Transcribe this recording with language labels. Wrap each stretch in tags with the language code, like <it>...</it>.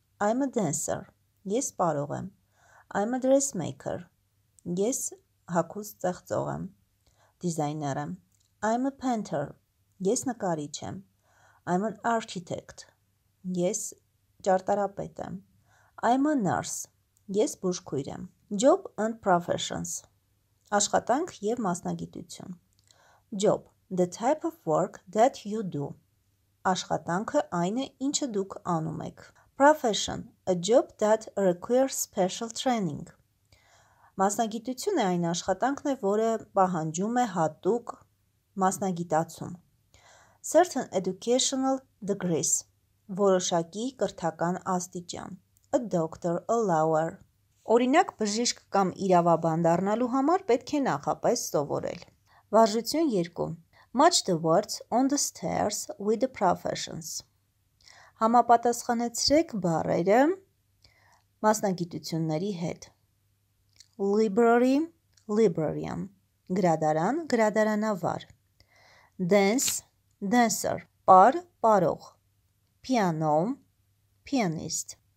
<en>I'm a dancer,</en> <hy>ես պարող եմ.</hy> <en>I'm a dressmaker,</en> <hy>ես հագուստ ստեղծող եմ. Designer եմ.</hy> <en>I'm a painter,</en> <hy>ես նկարիչ եմ.</hy> <en>I'm an architect,</en> <hy>ես ճարտարապետ եմ.</hy> <en>I'm a nurse,</en> <hy>ես բուժքույր եմ.</hy> <en>Job and professions,</en> <hy>աշխատանք եւ մասնագիտություն.</hy> <en>Job, the type of work that you do.</en> <hy>Աշխատանքը այն է, ինչը դուք անում եք.</hy> <en>Profession, a job that requires special training.</en> <hy>Մասնագիտություն է այն աշխատանքն է, որը պահանջում է հատուկ մասնագիտացում.</hy> <en>Certain educational degrees,</en> <hy>որոշակի կրթական աստիճան.</hy> <en>A doctor, a lawyer.</en> <hy>Օրինակ, բժիշկ կամ իրավաբան դառնալու համար պետք է նախապես սովորել. Վարժություն 2.</hy> <en>Match the words on the stairs with the professions.</en> <hy>Համապատասխանեցրեք բառերը մասնագիտությունների հետ.</hy> <en>Library, librarian.</en> <hy>Գրադարան, գրադարանավար.</hy> <en>Dance, dancer.</en> <hy>Պար, պարող.</hy> <en>Piano, pianist.</en>